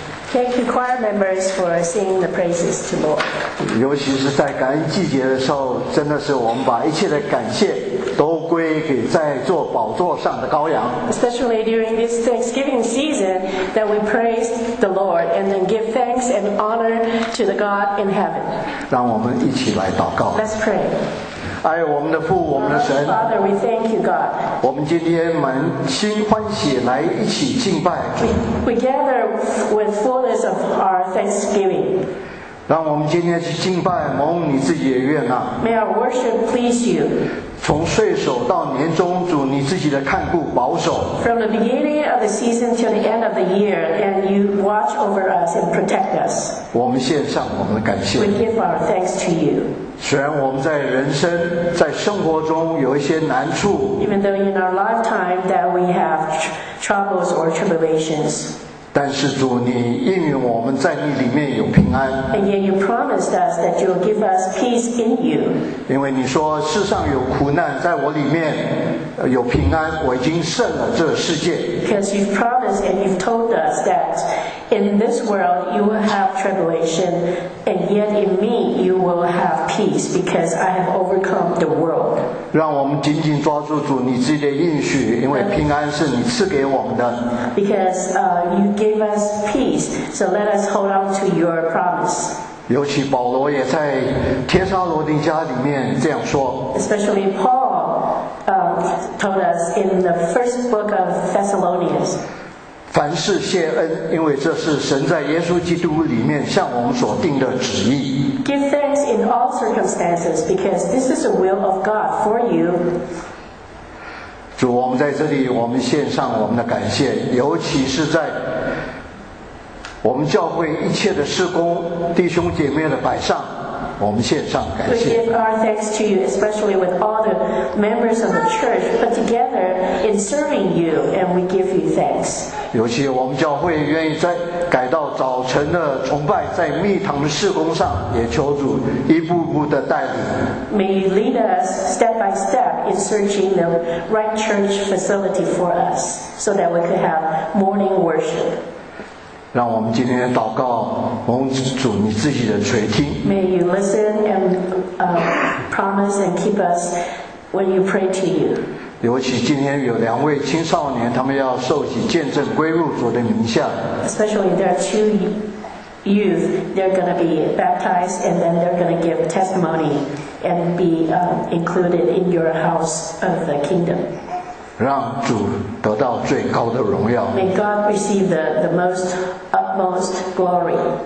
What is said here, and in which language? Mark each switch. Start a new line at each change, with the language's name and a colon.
English: Thank you, choir members, for singing the praises to Lord.
Chinese: 尤其是在感恩季节的时候，真的是我们把一切的感谢都归给在座宝座上的羔羊。
English: Especially during this Thanksgiving season, that we praise the Lord and then give thanks and honor to the God in heaven.
Chinese: 让我们一起来祷告。
English: Let's pray.
Chinese: 爱我们的父，我们的神，
English: Father, we thank you, God.
Chinese: 我们今天满心欢喜来一起敬拜。
English: We gather with fullness of our thanksgiving.
Chinese: 让我们今天去敬拜，蒙你自己的悦纳。
English: May our worship please you.
Chinese: 从岁首到年终，主你自己的看顾保守。
English: From the beginning of the season till the end of the year, and you watch over us and protect us.
Chinese: 我们献上我们的感谢。
English: We give our thanks to you.
Chinese: 虽然我们在人生在生活中有一些难处，
English: Even though in our lifetime that we have troubles or tribulations,
Chinese: 但是主你应允我们在你里面有平安，
English: And yet you promised us that you'll give us peace in you.
Chinese: 因为你说世上有苦难，在我里面有平安，我已经胜了这世界。
English: Because you've promised and you've told us thatIn this world, you will have tribulation, and yet in me, you will have peace, because I have overcome the world.
Chinese: 让我们紧紧抓住主你自己的应许，因为平安是你赐给我们的。
English: Because you gave us peace, so let us hold on to your promise.
Chinese: 尤其保罗也在帖撒罗尼迦里面这样说。
English: Especially Paul told us in the first book of Thessalonians.
Chinese: 凡事谢恩，因为这是神在耶稣基督里面向我们所定的旨意。
English: Give thanks in all circumstances, because this is the will of God for you.
Chinese: 主，我们在这里，我们献上我们的感谢，尤其是在我们教会一切的事工弟兄姐妹的摆上，我们献上感谢。
English: We give our thanks to you, especially with all the members of the church, but together in serving you, and we give you thanks.
Chinese: 尤其我们教会愿意在改到早晨的崇拜，在蜜糖的事工上，也求主一步步的带领。
English: May you lead us step by step in searching the right church facility for us, so that we could have morning worship.
Chinese: 让我们今天祷告，蒙主你自己的垂听。
English: May you listen and promise and keep us when you pray to you.
Chinese: 尤其今天有两位青少年，他们要受洗见证归入主的名下。
English: Especially there are two youth, they're going to be baptized and then they're going to give testimony and be included in your house of the kingdom.
Chinese: 让主得到最高的荣耀。
English: May God receive the most utmost glory.